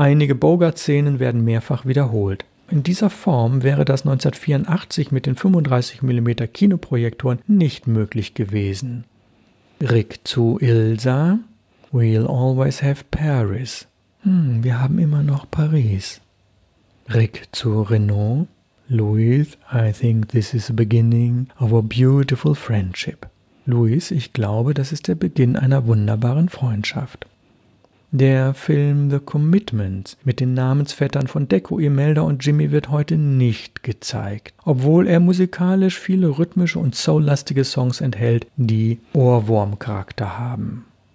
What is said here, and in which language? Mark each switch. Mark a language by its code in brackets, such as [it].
[de] Einige Bogart-Szenen werden mehrfach wiederholt. In dieser Form wäre das 1984 mit den 35mm Kinoprojektoren nicht möglich gewesen. [en] Rick zu Ilsa. We'll always have Paris. [de] Wir haben immer noch Paris. Rick zu Renaud. [en] Louise, I think this is the beginning of a beautiful friendship. [de] Louise, ich glaube, das ist der Beginn einer wunderbaren Freundschaft. Der Film The Commitments mit den Namensvettern von Deco, Imelda und Jimmy wird heute nicht gezeigt, obwohl er musikalisch viele rhythmische und soul-lastige Songs enthält, die Ohrwurm-Charakter haben.